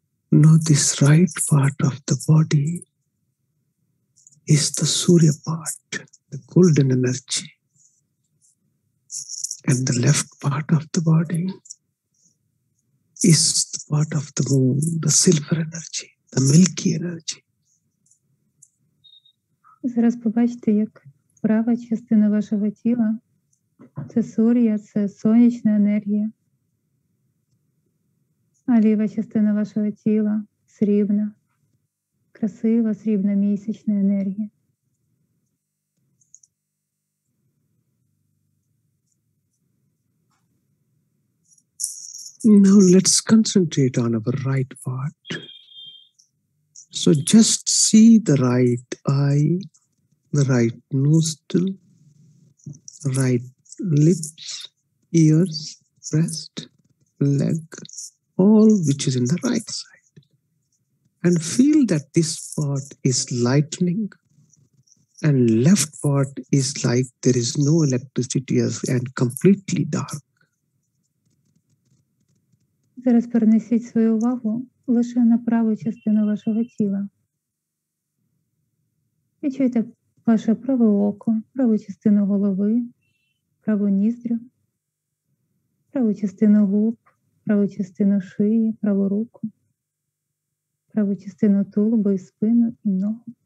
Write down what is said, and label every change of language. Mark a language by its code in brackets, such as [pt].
[en] Now this right part of the body is the Surya part, the golden energy. And the left part of the body is the part of the moon, the silver energy, the milky energy. [uk] Зараз побачите, як права частина вашого тіла – це сурія, це сонячна енергія. А ліва частина вашого тіла – срібна, красива срібна місячна енергія. [en] Now let's concentrate on our right part. So just see the right eye, the right nostril, right lips, ears, breast, leg, all which is in the right side. And feel that this part is lightening and left part is like there is no electricity and completely dark. [uk] Зараз перенесіть свою увагу лише на праву частину вашого тіла. Відчуйте ваше праве око, праву частину голови, праву ніздрю, праву частину губ, праву частину шиї, праву руку, праву частину тулуба і спину, і ногу.